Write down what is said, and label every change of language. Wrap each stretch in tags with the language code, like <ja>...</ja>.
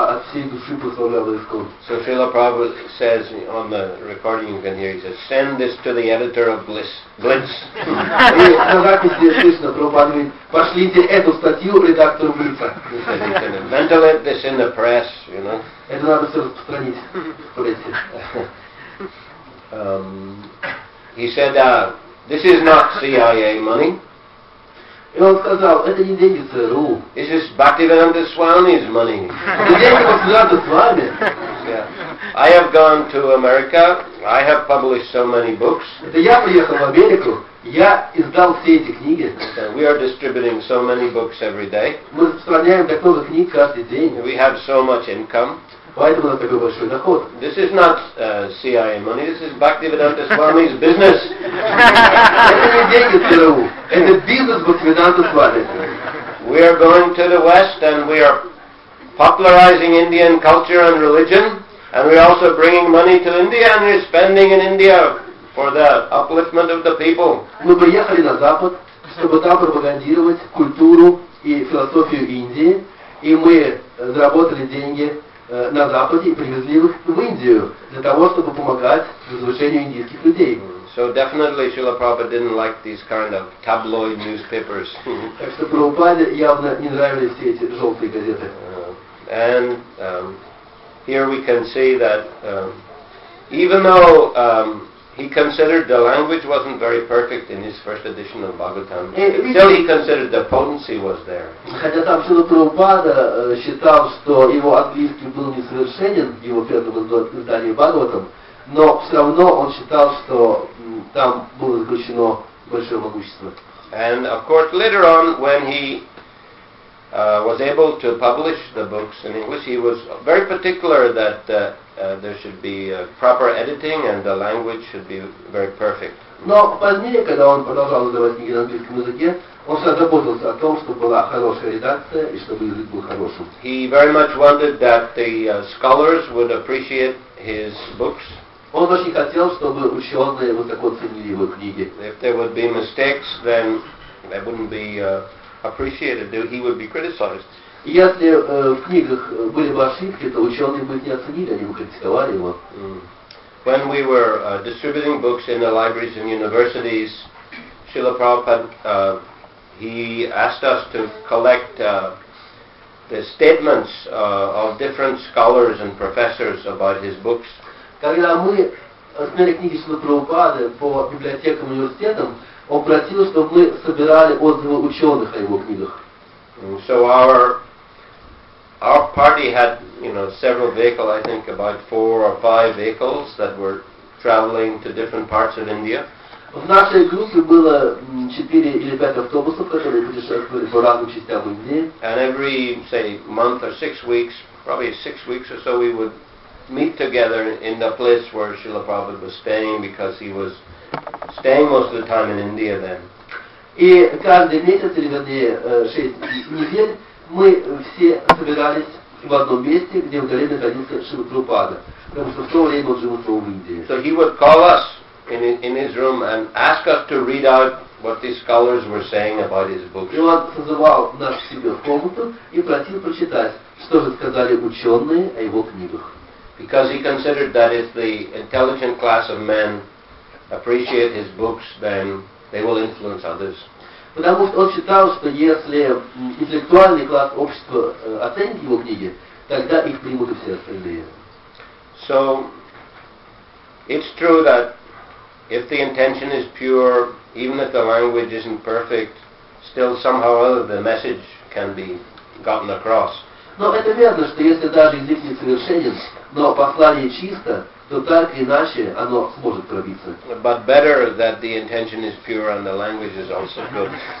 <en>So Srila Prabhupada says on the recording you can hear, he says, send this to the editor of Blitz.</en> <ru>Пошлите эту статью редактору Блица.</ru> <en>Ventilate this in the press, you know.</en> <ru>Это надо все распространить в прессе.</ru> <en>He said, this is not CIA money.</en> <ru>И он сказал, это не деньги ЦРУ.</ru> <en>This is Bhaktivedanta Swami's money.</en> <ru>Это деньги Бхактивиданта Свами.</ru> <en>I have gone to America. I have published so many books.</en> <ru>Это я приехал в Америку. Я издал все эти книги.</ru> <en>We are distributing so many books every day.</en> <ru>Мы распространяем так много книг каждый день.</ru> <en>We have so much income.</en> <ru>Поэтому это такой большой доход.</ru> <en>This is not CIA money. This is Bhaktivedanta Swami's business.</en> <ru>Это не деньги ЦРУ. Это бизнес Бхактивиданта Свами.</ru> <en>We are going to the West and we are popularizing Indian culture and religion. And we are also bringing money to India and we are spending in India for the upliftment of the people.</en> <ru>Мы приехали на Запад, чтобы там пропагандировать культуру и философию Индии. И мы заработали деньги на Западе и привезли их в Индию для того, чтобы помогать возвышению индийских людей.</ru> <en>So definitely Srila Prabhupada didn't like these kind of tabloid newspapers.</en> <ru>Так что Прабхупаде явно не нравились все эти желтые газеты.</ru> <en>And here we can see that even though he considered the language wasn't very perfect in his first edition of Bhagavatam, still he considered the potency was there.</en> <ru>Хотя там Шрила Прабхупада считал, что его английский был несовершенен в его первом издании Бхагаватам, но все равно он считал, что там было заключено большое могущество.</ru> <en>And of course later on when he was able to publish the books in English, he was very particular that there should be proper editing and the language should be very perfect.</en> <ru>Но позднее, когда он продолжал издавать книги на английском языке, он заботился о том, чтобы была хорошая редакция и чтобы язык был хорошим.</ru> <en>He very much wanted that the scholars would appreciate his books.</en> <ru>Он очень хотел, чтобы ученые высоко ценили его книги.</ru> <en>If there would be mistakes, then there wouldn't be appreciated, that he would be criticized.</en> <ru>Если в книгах были бы ошибки, то ученые бы не оценили, они бы критиковали его.</ru> <en>When we were distributing books in the libraries and universities, Srila Prabhupada, he asked us to collect the statements of different scholars and professors about his books.</en> <ru>Когда мы смотрели книги Шрилы Прабхупады по библиотекам и университетам, он просил, чтобы мы собирали отзывы ученых о его книгах.</ru> <en>So our party had, you know, several vehicles, I think about four or five vehicles that were traveling to different parts of India.</en> <ru>В нашей группе было 4 или 5 автобусов, которые путешествовали по разным частям Индии.</ru> <en>And every, say, month or 6 weeks, probably 6 weeks or so, we would meet together in the place where Srila Prabhupada was staying, because he was staying most of the time in India then.</en> <ru>И каждый месяц, или вернее 6 недель, мы все собирались в одном месте, где в горе находился Шрила Прабхупада, потому что в то время он жил в Индии.</ru> <en>So he would call us in his room and ask us to read out what these scholars were saying about his books.</en> <ru>И он созывал нас к себе в комнату и просил прочитать, что же сказали ученые о его книгах.</ru> <en>Because he considered that if the intelligent class of men appreciate his books, then they will influence others.</en> <ru>Потому что он считал, что если интеллектуальный класс общества оценит его книги, тогда их примут и все остальные.</ru> <en>So, it's true that if the intention is pure, even if the language isn't perfect, still somehow or other the message can be gotten across.</en> <ru>Но это верно, что если даже язык не совершенен, но послание чисто, то так или иначе оно сможет пробиться.</ru> <en>But better that the intention is pure and the language is also good.</en>